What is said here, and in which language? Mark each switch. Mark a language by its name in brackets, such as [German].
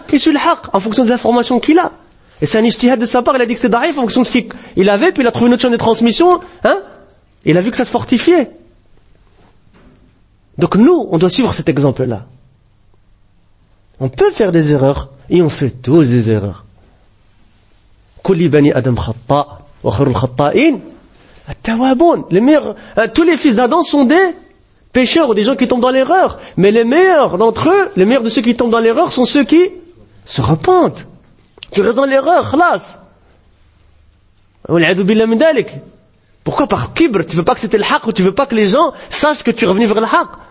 [French] Il suit le haq, en fonction des informations qu'il a. Et c'est un ijtihad de sa part, il a dit que c'est daif, en fonction de ce qu'il avait, puis il a trouvé une autre chaîne de transmission, hein? Il a vu que ça se fortifiait. Donc nous, on doit suivre cet exemple-là. On peut faire des erreurs, et on fait tous des erreurs. [Arabic] كل بني ادم خطاء وخير الخطائين التوابون. [French] Tous les fils d'Adam sont des pécheurs ou des gens qui tombent dans l'erreur, mais les meilleurs d'entre eux, les meilleurs de ceux qui tombent dans l'erreur sont ceux qui se repentent. Tu restes dans l'erreur, خلاص. [Arabic] والعذ بالله من ذلك. [French] Pourquoi? Par kibr, tu veux pas que c'était le haq, ou tu veux pas que les gens sachent que tu es revenu vers le haq.